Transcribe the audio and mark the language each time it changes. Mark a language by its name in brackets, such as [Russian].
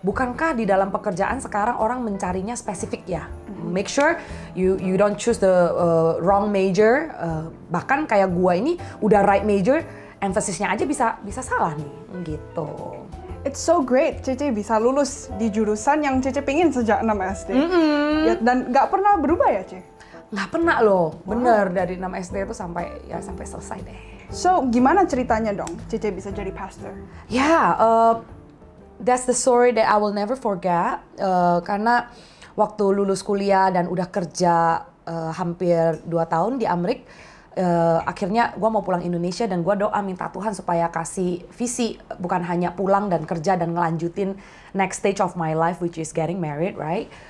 [Indonesian] Bukankah di dalam pekerjaan sekarang orang mencarinya spesifik ya? [English] Make sure you don't choose the wrong major. [Indonesian] Bahkan kayak gua ini udah [English] right major, [Indonesian] emphasis-nya aja bisa salah nih, gitu. [English] It's so great [Indonesian] Cece bisa lulus di jurusan yang Cece pingin sejak 6 SD. Mm-hmm. Ya, dan gak pernah berubah ya Cece? Gak pernah loh, wow. Bener dari 6 SD itu sampai ya sampai selesai deh. [English] So [Indonesian] gimana ceritanya dong Cece bisa jadi pastor? [English] Ya, that's the story that I will never forget. [Indonesian] Karena waktu lulus kuliah dan udah kerja hampir 2 tahun di Amerika, akhirnya gue mau pulang Indonesia dan gue doa minta Tuhan supaya kasih visi bukan hanya pulang dan kerja dan ngelanjutin [English] next stage of my life which is getting married, right?